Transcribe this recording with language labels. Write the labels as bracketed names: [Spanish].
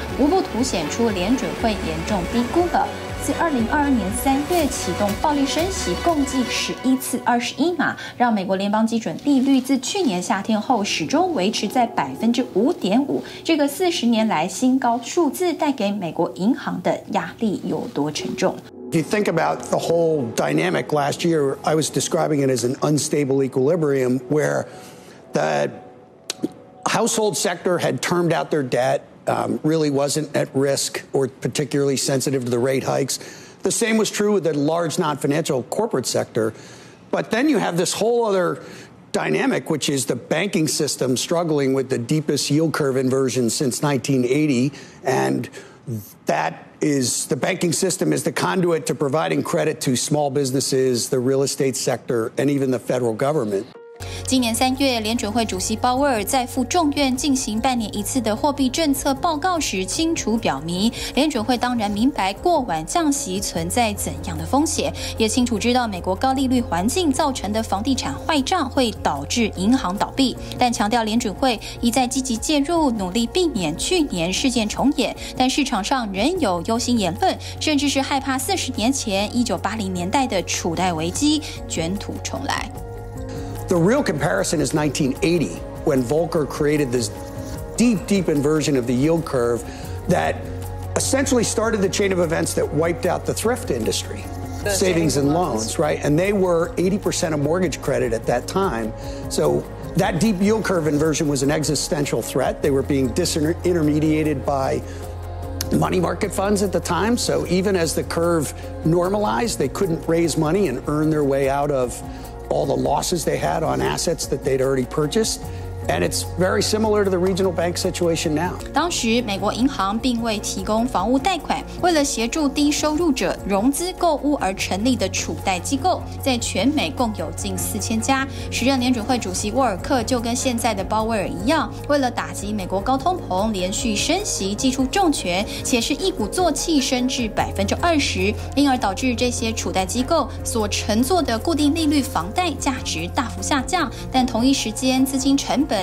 [Chinese] 无不凸显出联准会严重低估了自2022年3月启动暴力升息共计11次21码，让美国联邦基准利率自去年夏天后始终维持在5.5%，这个40年来新高数字带给美国银行的压力有多沉重。 [English] If you think about the whole dynamic last year, I was describing it as an unstable equilibrium where the household sector had termed out their debt. Really wasn't at risk or particularly sensitive to the rate hikes. The same was true with the large non-financial corporate sector. But then you have this whole other dynamic, which is the banking system struggling with the deepest yield curve inversion since 1980. And that is the banking system is the conduit to providing credit to small businesses, the real estate sector, and even the federal government. [Chinese] 今年三月，联准会主席鲍威尔在赴众院进行半年一次的货币政策报告时，清楚表明，联准会当然明白过晚降息存在怎样的风险，也清楚知道美国高利率环境造成的房地产坏账会导致银行倒闭，但强调联准会一再积极介入，努力避免去年事件重演。但市场上仍有忧心言论，甚至是害怕40年前1980年代的储贷危机卷土重来。 [English] The real comparison is 1980, when Volcker created this deep, deep inversion of the yield curve that essentially started the chain of events that wiped out the thrift industry, the savings and loans, right? And they were 80% of mortgage credit at that time. So that deep yield curve inversion was an existential threat. They were being disintermediated by money market funds at the time. So even as the curve normalized, they couldn't raise money and earn their way out of... all the losses they had on assets that they'd already purchased. And it's very similar to the regional bank situation now. [Chinese] 当时美国银行并未提供房屋贷款，为了协助低收入者融资购物而成立的储贷机构，在全美共有近4000家。时任联准会主席沃尔克就跟现在的鲍威尔一样，为了打击美国高通膨，连续升息，祭出重拳，且是一鼓作气升至20%，因而导致这些储贷机构所乘坐的固定利率房贷价值大幅下降，但同一时间资金成本。